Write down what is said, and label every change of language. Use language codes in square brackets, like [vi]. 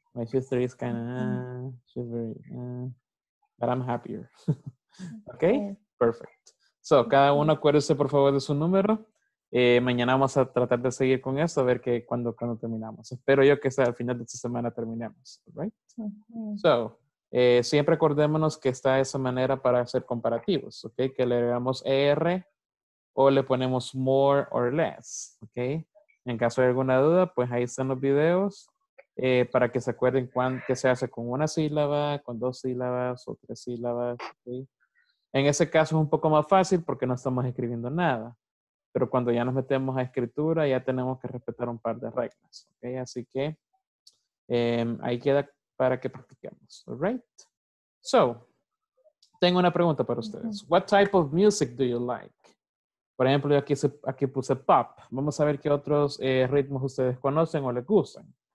[en] My sister is kind of, she's very, but I'm happier. Okay? Perfect. [es] So, cada uno acuérdese, por favor, de su número. Mañana vamos a tratar de seguir con eso, a ver que cuando terminamos. Espero yo que sea al final de esta semana terminemos. Right? Mm-hmm. [en] So, [es] Siempre acordémonos que está esa manera para hacer comparativos, ¿ok? Que le agregamos er o le ponemos [en] more or less, [es] ¿ok? En caso de alguna duda, pues ahí están los videos para que se acuerden qué se hace con una sílaba, con dos sílabas o tres sílabas, ¿ok? En ese caso es un poco más fácil porque no estamos escribiendo nada. Pero cuando ya nos metemos a escritura, ya tenemos que respetar un par de reglas, ¿ok? Así que ahí queda para que practiquemos, [en] all right? [es] So, tengo una pregunta para ustedes. [en] Mm-hmm. What type of music do you like? [es] Por ejemplo, yo aquí puse pop. Vamos a ver qué otros ritmos ustedes conocen o les gustan.